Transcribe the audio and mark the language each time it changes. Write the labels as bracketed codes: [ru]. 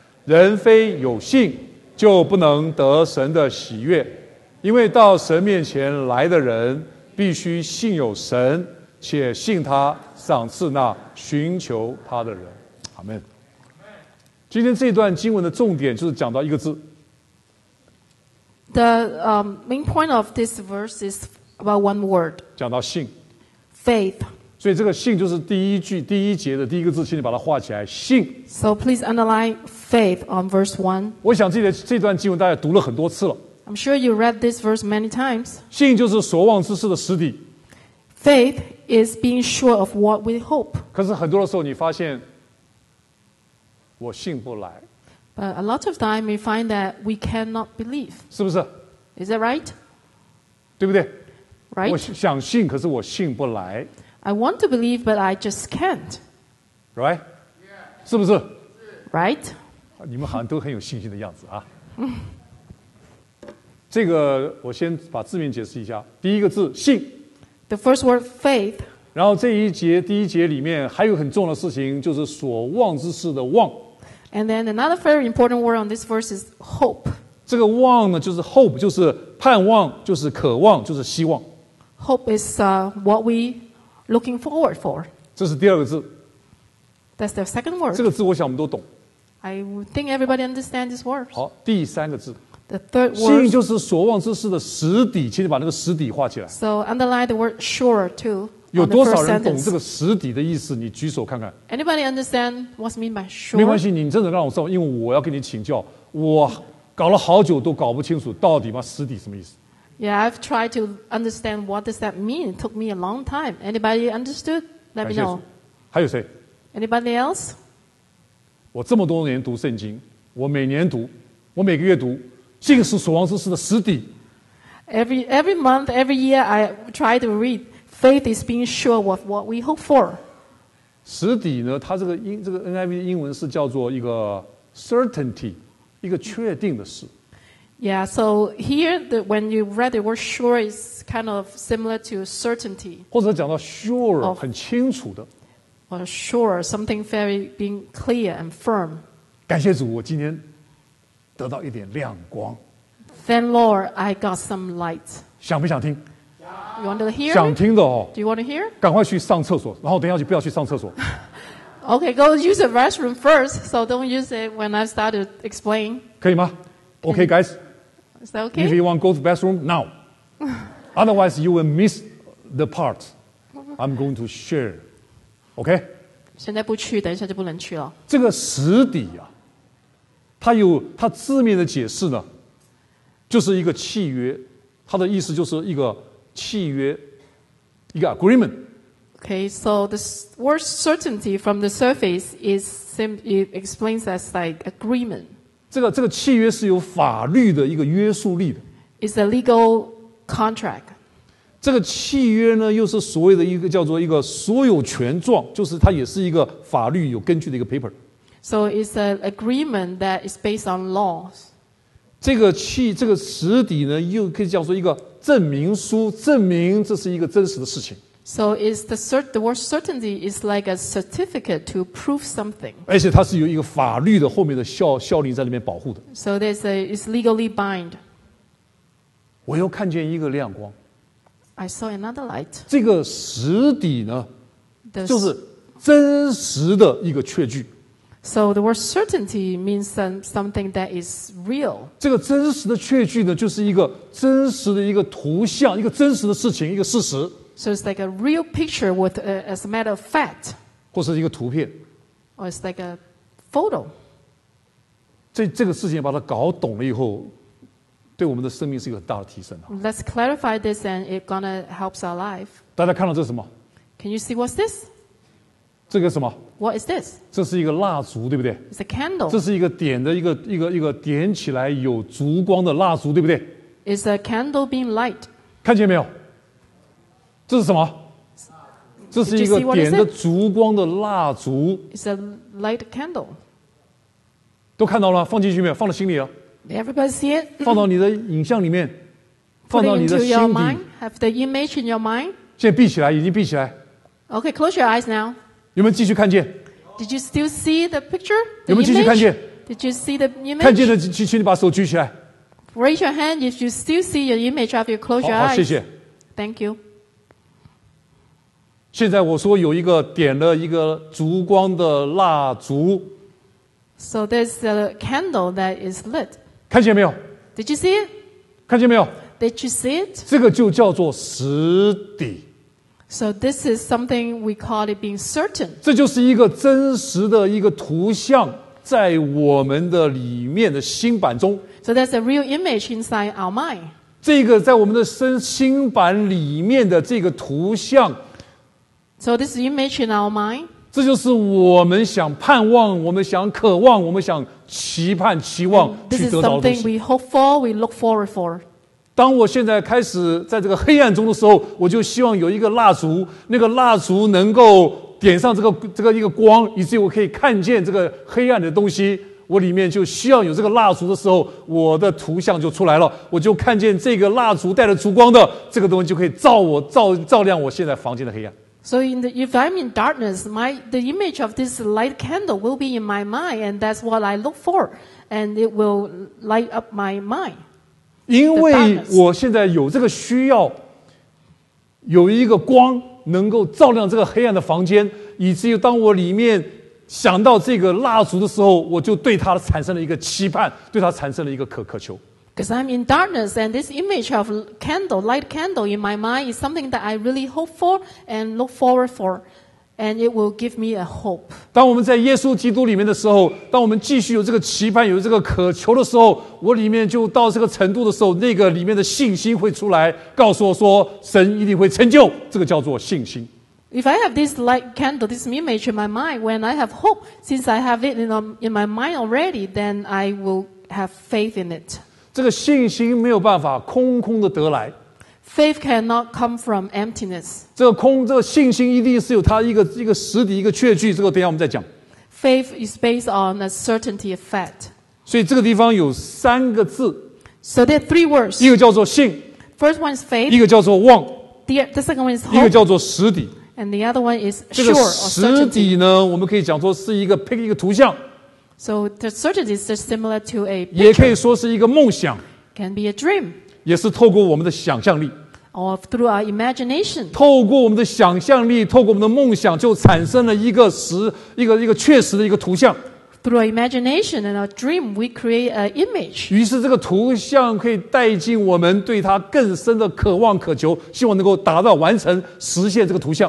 [zh] 人非有信就不能得神的喜悦，因为到神面前来的人必须信有神，且信他赏赐那寻求他的人。阿们。今天这段经文的重点就是讲到一个字。 [en] The main point of this verse is about one word. [zh] 讲到信。 [en] Faith. [zh] 所以这个信就是第一句第一节的第一个字，请你把它画起来，信。 [en] So please underline faith on verse 1. [zh] 我想这段经文大家读了很多次了。 [en] I'm sure you read this verse many times. [zh] 信就是所望之事的实底。 [en] Faith is being sure of what we hope. [zh] 可是很多的时候你发现我信不来。 [en] But a lot of time we find that we cannot believe. [zh] 是不是？ [en] Is that right? [zh] 对不对？ [en] Right? [zh] 我想信，可是我信不来。 [en] I want to believe, but I just can't. Right? [zh] 是不是？ [en] Right? [zh] 你们好像都很有信心的样子啊。这个我先把字面解释一下。第一个字，信。 [en] The first word, faith. [zh] 然后这一节，第一节里面还有很重要的事情，就是所望之事的望。 [en] And then another very important word on this verse is hope. [zh] 这个望呢，就是 hope, 就是盼望，就是渴望，就是希望。 [en] Hope is what we looking forward for. [zh] 这是第二个字。 [en] That's the second word. [zh] 这个字我想我们都懂。 [en] I think everybody understands this word. [zh] 好，第三个字。 [en] The third word. [zh] 信就是所望之事的实底，请你把那个实底画起来。 [en] So underline the word sure too. [zh] 有多少人懂这个实底的意思？你举手看看。 [en] Anybody understand what's mean by sure? [zh] 没关系，你真的让我知道，因为我要跟你请教，我搞了好久都搞不清楚到底嘛实底什么意思。 [en] Yeah, I've tried to understand what does that mean. It took me a long time. Anybody understood? Let me know. [zh] 还有谁？ [en] Anybody else? [zh] 我这么多年读圣经，我每年读，我每个月读，信是所望之事的实底。 [en] Every month, every year, I try to read. Faith is being sure of what we hope for. [zh] 实底呢？它这个 NIV 的英文是叫做一个 certainty, 一个确定的事。 [en] Yeah, so here, when you read the word sure, it's kind of similar to certainty. [zh] 或者讲到 sure, 很清楚的。 [en] Or sure, something very being clear and firm. [zh] 感谢主，我今天得到一点亮光。 [en] Thank Lord, I got some light. [zh] 想不想听？ [en] You want to hear? [zh] 想听的哦。 [en] Do you want to hear? [zh] 赶快去上厕所，然后等一下就不要去上厕所。 [en] Okay, go use the restroom first, so don't use it when I start to explain. [zh] 可以吗？ [en] Okay, guys. Is that okay? If you want to go to the bathroom, now. Otherwise, you will miss the part I'm going to share. Okay? [zh] 现在不去，等一下就不能去了。这个实底啊，它有它字面的解释呢，就是一个契约，它的意思就是一个契约，一个 agreement. [en] Okay, so the word certainty from the surface is simply explains as like agreement. [zh] 这个契约是有法律的一个约束力的。 [en] It's a legal contract. [zh] 这个契约呢，又是所谓的一个叫做一个所有权状，就是它也是一个法律有根据的一个 paper. [en] So it's an agreement that is based on laws. [zh] 这个实底呢，又可以叫做一个证明书，证明这是一个真实的事情。 [en] So is the word certainty is like a certificate to prove something. [zh] 而且它是有一个法律的后面的效力在里面保护的。 [en] So it's legally bind. [zh] 我又看见一个亮光。 [en] I saw another light. [zh] 这个实底呢，就是真实的一个确据。 [en] So the word certainty means something that is real. [zh] 这个真实的确据呢，就是一个真实的一个图像，一个真实的事情，一个事实。 [en] So it's like a real picture with as a matter of fact. [zh] 或是一个图片。 [en] Or it's like a photo. [zh] 这个事情把它搞懂了以后，对我们的生命是一个很大的提升。 [en] Let's clarify this and it's going to help our life. [zh] 大家看到这是什么？ [en] Can you see what's this? [zh] 这个什么？ [en] What is this? [zh] 这是一个蜡烛，对不对？ [en] It's a candle. [zh] 这是一个点的一个点起来有烛光的蜡烛，对不对？ [en] It's a candle being light. [zh] 看见没有？这是什么？这是一个点的烛光的蜡烛。 [en] It's a light candle. [zh] 都看到了，放进去没有？放到心里了。 [en] Everybody see it? [zh] 放到你的影像里面，放到你的心底。 [en] Have the image in your mind. [zh] 现在闭起来，眼睛闭起来。 [en] Okay, close your eyes now. [zh] 有没有继续看见？ [en] Did you still see the picture? [zh] 有没有继续看见？ [en] Did you see the image? [zh] 看见的，请你把手举起来。 [en] Raise your hand if you still see your image after you close your eyes. [zh] 好，谢谢。 [en] Thank you. [zh] 现在我说有一个点了一个烛光的蜡烛。 [en] So there's a candle that is lit. [zh] 看见没有？ [en] Did you see it? [zh] 看见没有？ [en] Did you see it? [zh] 这个就叫做实底。 [en] So this is something we call it being certain. [zh] 这就是一个真实的一个图像在我们的里面的心版中。 [en] So that's a real image inside our mind. [zh] 这个在我们的心版里面的这个图像。 [en] So this image in our mind. [zh] 这就是我们想盼望，我们想渴望，我们想期盼、期望去得到的东西。 [en] This is something we hope for, we look forward for. [zh] 当我现在开始在这个黑暗中的时候，我就希望有一个蜡烛，那个蜡烛能够点上这个一个光，以至于我可以看见这个黑暗的东西。我里面就需要有这个蜡烛的时候，我的图像就出来了，我就看见这个蜡烛带着烛光的这个东西就可以照亮我现在房间的黑暗。 [en] So if I'm in darkness, the image of this light candle will be in my mind, and that's what I look for, and it will light up my mind. [zh] 因为我现在有这个需要，有一个光能够照亮这个黑暗的房间，以至于当我里面想到这个蜡烛的时候，我就对它产生了一个期盼，对它产生了一个渴求。 [en] Because I'm in darkness, and this image of candle, light candle in my mind is something that I really hope for and look forward for, and it will give me a hope. [zh] 当我们在耶稣基督里面的时候，当我们继续有这个期盼、有这个渴求的时候，我里面就到这个程度的时候，那个里面的信心会出来，告诉我说，神一定会成就。这个叫做信心。 [en] If I have this light candle, this image in my mind, when I have hope, since I have it in my mind already, then I will have faith in it. [zh] 这个信心没有办法空空的得来。 [en] Faith cannot come from emptiness. [zh] 这个信心一定是有它一个实底，一个确据，这个等一下我们再讲。 [en] Faith is based on a certainty of fact. [zh] 所以这个地方有三个字。 [en] So there are three words. [zh] 一个叫做信。 [en] First one is faith. [zh] 一个叫做望。 [en] The second one is hope. [zh] 一个叫做实底。 [en] And the other one is sure. [zh] 这个实底呢，我们可以讲说是一个图像。 [en] So the certainty is similar to a picture. [zh] 也可以说是一个梦想。 [en] Can be a dream. [zh] 也是透过我们的想象力。 [en] Or through our imagination. [zh] 透过我们的想象力，透过我们的梦想，就产生了一个确实的一个图像。 [en] Through our imagination and our dream, we create an image. [zh] 于是这个图像可以带进我们对它更深的渴望、渴求，希望能够达到完成、实现这个图像。